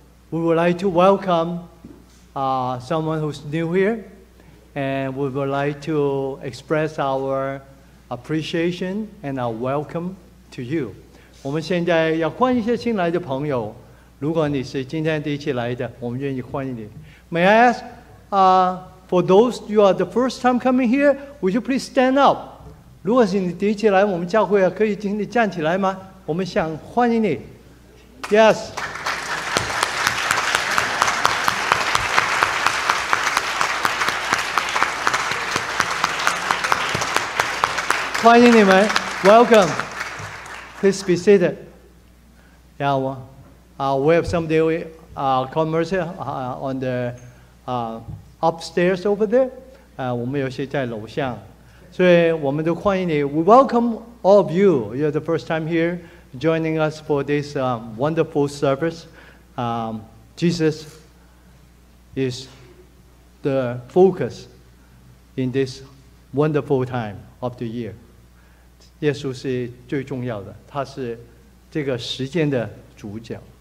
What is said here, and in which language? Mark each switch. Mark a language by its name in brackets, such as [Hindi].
[English] We would like to welcome someone who's new here, and we would like to express our appreciation and our welcome to you. [Chinese] 我们现在要欢迎一些新来的朋友，如果你是今天第一次来的，我们愿意欢迎你。 [English] May I ask, for those you are the first time coming here, would you please stand up? [Chinese] 如果是你第一次来我们教会，可以请你站起来吗？我们想欢迎你。Yes. [English] Welcome. Please be seated. Yeah, well. We have some daily commerce on the upstairs over there. [Chinese] 我们有些在楼下，所以我们都欢迎你。 [English] We welcome all of you. You're the first time here joining us for this wonderful service. Jesus is the focus in this wonderful time of the year. [Chinese] 耶稣是最重要的，他是这个时间的主角。